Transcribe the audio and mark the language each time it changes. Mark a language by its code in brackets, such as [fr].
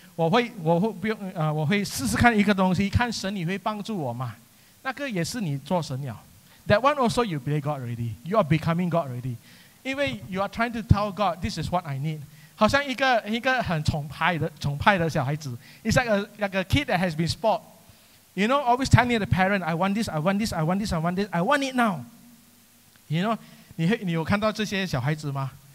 [zh] 我会试试看一个东西，看神你会帮助我吗？那个也是你做神了。 [en] That one also you believe God already. You are becoming God already. 因为 you are trying to tell God, this is what I need. [zh] 好像一个很崇拜的小孩子。 [en] It's like a kid that has been spoiled. You know, always telling the parent, I want this, I want this, I want this, I want this. I want it now. You know? [zh] 你有看到这些小孩子吗？